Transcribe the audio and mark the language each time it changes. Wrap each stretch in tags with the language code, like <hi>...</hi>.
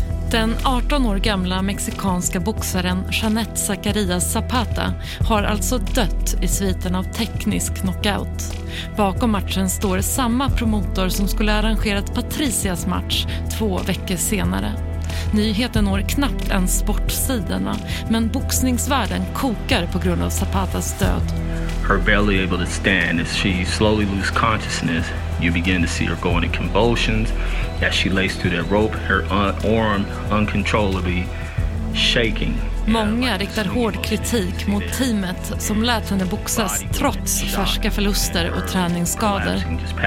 <sv>Den 18 år gamla mexikanska boxaren Jeanette Zacarias Zapata har alltså dött i sviten av teknisk knockout. Bakom matchen står samma promotor som skulle arrangerat Patricias match 2 veckor senare. Nyheten når knappt ens sportsidorna, men boxningsvärlden kokar på grund av Zapatas död.</sv> <en>Her barely able to stand as she slowly loses consciousness. You begin to see her going in convulsions. As she lays through that rope, her arm uncontrollably shaking.</en> <sv>Många riktar hård kritik mot teamet som lät henne boxas trots färska förluster och träningsskador.</sv>